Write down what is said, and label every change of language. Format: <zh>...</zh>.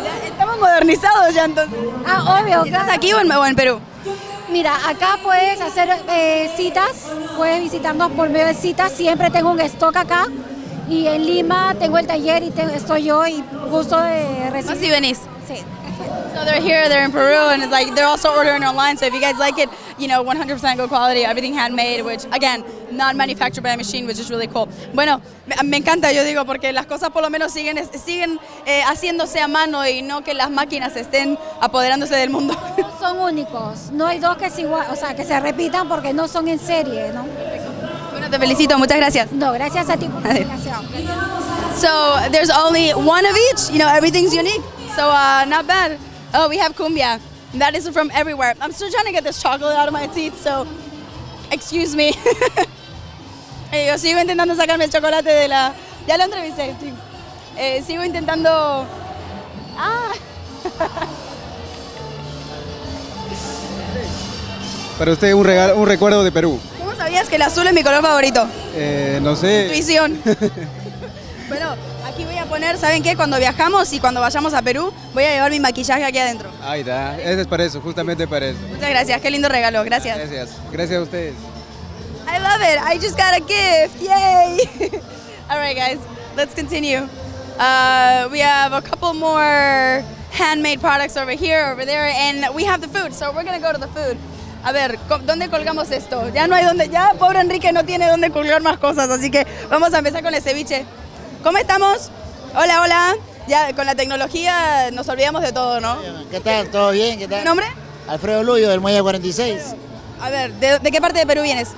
<es>estamos modernizados ya entonces. Ah, obvio. ¿Estás claro. aquí o en Perú? Mira, acá puedes hacer citas, puedes visitarnos por medio de citas. Siempre tengo un stock acá y en Lima tengo el taller y estoy yo y gusto de recibir. ¿Así venís? Sí.</es> <en>So they're here, they're in Peru, and it's like they're also ordering online. So if you guys like it, you know, 100% good quality, everything handmade, which again, not manufactured by a machine, which is really cool.</en> <es>Bueno, me encanta, yo digo, porque las cosas por lo menos siguen haciéndose a mano y no que las máquinas estén apoderándose del mundo. No son únicos, no hay dos que es igual, o sea, que se repitan porque no son en serie, ¿no? Bueno, te felicito, muchas gracias. No, gracias a ti por la invitación.</es> <en>So there's only one of each, you know, everything's unique. So not bad. Oh, we have cumbia. That is from everywhere. I'm still trying to get this chocolate out of my teeth, so excuse me.</en> <es>Yo sigo intentando sacarme el chocolate de la... Ya lo entrevisté. Sigo intentando... Ah. Para usted un regalo, un recuerdo de Perú. ¿Cómo sabías que el azul es mi color favorito? No sé. Intuición. Bueno. Aquí voy a poner, ¿saben qué? Cuando viajamos y cuando vayamos a Perú, voy a llevar mi maquillaje aquí adentro. Ahí está, ese es para eso, justamente para eso. Muchas gracias, qué lindo regalo, gracias. Gracias, gracias a ustedes.</es> <en>I love it, I just got a gift, yay! All right, guys, let's continue. We have a couple more handmade products over here, over there, and we have the food, so we're gonna go to the food.</en> <es>A ver, ¿dónde colgamos esto? Ya no hay dónde, ya pobre Enrique no tiene dónde colgar más cosas, así que vamos a empezar con el ceviche. ¿Cómo estamos? Hola, hola. Ya con la tecnología nos olvidamos de todo, ¿no? ¿Qué tal? ¿Todo bien? ¿Qué tal? ¿Tu nombre? Alfredo Luyo, del Muelle 46. A ver, ¿de qué parte de Perú vienes?</es>